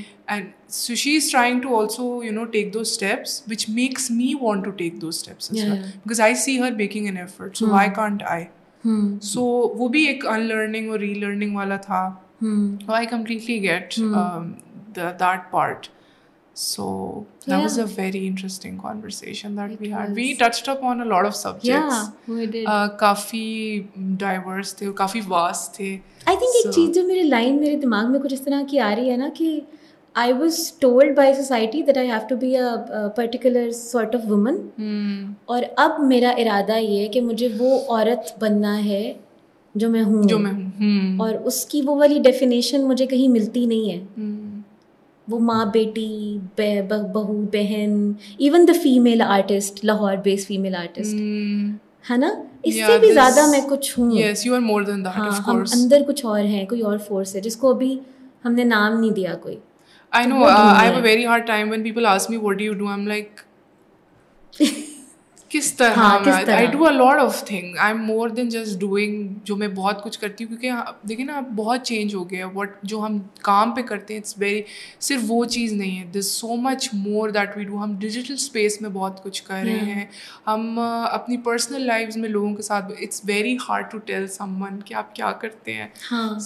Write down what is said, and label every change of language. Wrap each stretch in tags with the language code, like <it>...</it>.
<en>And so she is trying to also you know take दो steps which makes me want to take दो steps, because I see her making an effort, so why can't I.</en> <hi>सो वो भी एक unlearning और relearning वाला था,</hi> <en>I completely get that part. So that was a very interesting conversation that we had. We touched upon a lot of subjects. Yeah, we did.</en> <hi>काफी diverse थे, काफी vast थे.</hi> <en>I think</en> <hi>एक चीज जो मेरे line मेरे दिमाग में कुछ इस तरह की आ रही है ना कि</hi> <en>I was told by society that I have to be a particular sort of woman.</en> <hi>और अब मेरा इरादा ये है कि मुझे वो औरत बनना है जो मैं हूँ. जो मैं हूँ. और उसकी वो वाली definition मुझे कहीं मिलती नहीं है. वो माँ बेटी, बहू बहन,</hi> <en>even the female artist,</en> <hi>Lahore based female artist, है ना, इससे भी this, ज्यादा मैं कुछ हूँ।</hi> <en>yes, you are more than that, हाँ, of course.</en> <hi>हम अंदर कुछ और हैं, कोई और फोर्स है जिसको अभी हमने नाम नहीं दिया कोई।</hi> <en>I know, I have a very hard time when people ask me, what do you do? I'm like,</en> <hi>किस तरह, हाँ, किस तरह?</hi> <en>I do a lot of things. I'm more than just doing,</en> <hi>जो मैं बहुत कुछ करती हूँ, क्योंकि देखिए ना, बहुत चेंज हो गया है वट जो हम काम पे करते हैं,</hi> <en>it's very,</en> <hi>सिर्फ वो चीज़ नहीं है,</hi> <en>This so much more that we do.</en> <hi>हम डिजिटल स्पेस में बहुत कुछ कर रहे हैं, हम अपनी पर्सनल लाइफ में लोगों के साथ,</hi> <en>it's very hard to tell someone</en> <hi>कि आप क्या करते हैं।</hi>